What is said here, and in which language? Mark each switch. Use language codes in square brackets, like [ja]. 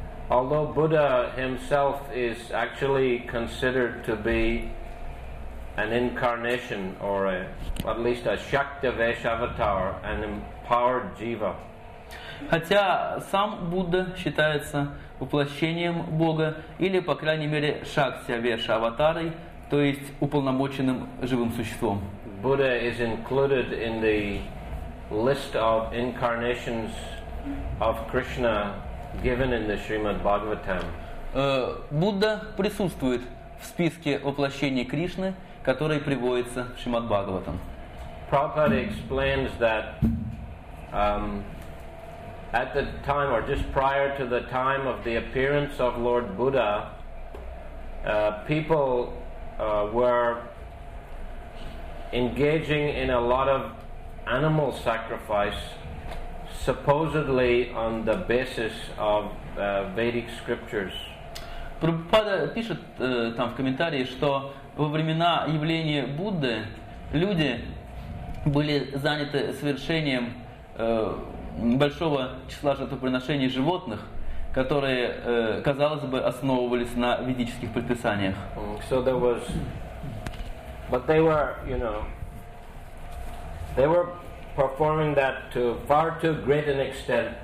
[en] Although Buddha himself is actually considered to be an incarnation or at least a Shaktivesh avatar, an empowered jiva. [ru] Хотя сам Будда считается воплощением Бога или по крайней мере Шактивеш аватарой, то есть уполномоченным живым существом. [en] Buddha is included in the list of incarnations of Krishna given in the Srimad Bhagavatam. [ru] Будда присутствует в списке воплощений Кришны, которые приводятся в Шримад Бхагаватам. [en] Prabhupada explains that at the time, or just prior to the time of the appearance of Lord Buddha, people were engaging in a lot of animal sacrifice, supposedly on the basis of Vedic scriptures. [ru] Прабхупада пишет там в комментарии, что во времена явления Будды люди были заняты совершением большого числа жертвоприношений животных, которые, казалось бы, основывались на ведических предписаниях. [en] So there was, but they were, you know, they were performing that to far too great an extent.